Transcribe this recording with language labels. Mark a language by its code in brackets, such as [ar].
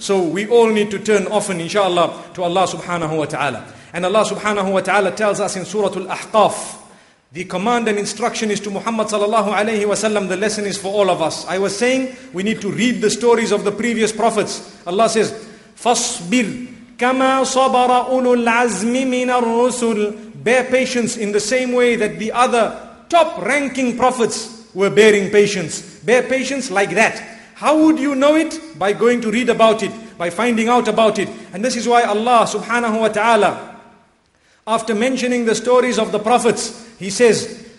[en] So we all need to turn often, inshallah, to Allah subhanahu wa ta'ala. And Allah subhanahu wa ta'ala tells us in Surah Al-Ahqaf, the command and instruction is to Muhammad sallallahu alayhi wa sallam. The lesson is for all of us. I was saying we need to read the stories of the previous prophets. Allah says, [ar] فَصْبِرْ كَمَا صَبَرَ أُولُو الْعَزْمِ مِنَ الرُّسُلِ. [en] Bear patience in the same way that the other top ranking prophets were bearing patience. Bear patience like that. How would you know it? By going to read about it, by finding out about it. And this is why Allah subhanahu wa ta'ala, after mentioning the stories of the prophets, He says,